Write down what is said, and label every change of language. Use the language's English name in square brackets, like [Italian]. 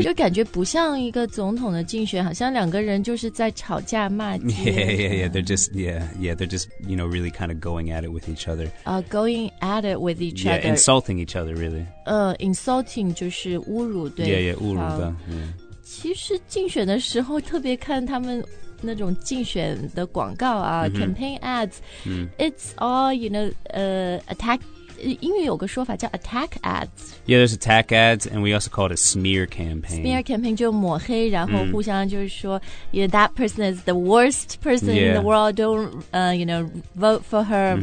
[Chinese] 就感觉不像一个总统的竞选，好像两个人就是在吵架骂街。 [English] Yeah. They're just, you know, really kind of going at it with each other. Going at it with each other. Yeah, insulting each other, really. [Chinese] Insulting 就是侮辱对方。Yeah, 侮辱的。Yeah. 其实竞选的时候特别看他们那种竞选的广告啊、mm-hmm. [English] campaign ads、mm-hmm. it's all you know attack [Chinese] 英语有个说法叫 [English] attack ads yeah there's attack ads and we also call it a smear campaign [Chinese] smear campaign 就抹黑然后互相就是说、mm-hmm. [English] you know, that person is the worst person、yeah. in the world don't you know vote for her、mm-hmm.